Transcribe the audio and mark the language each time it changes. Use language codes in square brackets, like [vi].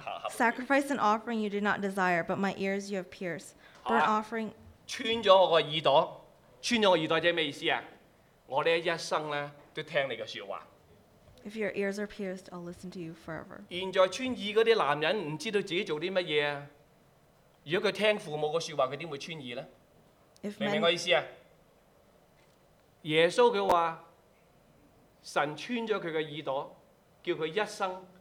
[en] Sacrifice and offering you did not desire, but my ears you have pierced. Burnt offering. [yue] 穿咗我个耳朵，穿咗我耳朵即系咩意思啊？我呢一生咧都听你嘅说话。 [en] If your ears are pierced, I'll listen to you forever. [yue] 现在穿耳嗰啲男人唔知道自己做啲乜嘢啊？如果佢听父母嘅说话，佢点会穿耳咧？明唔明我意思啊？耶稣佢话神穿咗佢嘅耳朵，叫佢一生。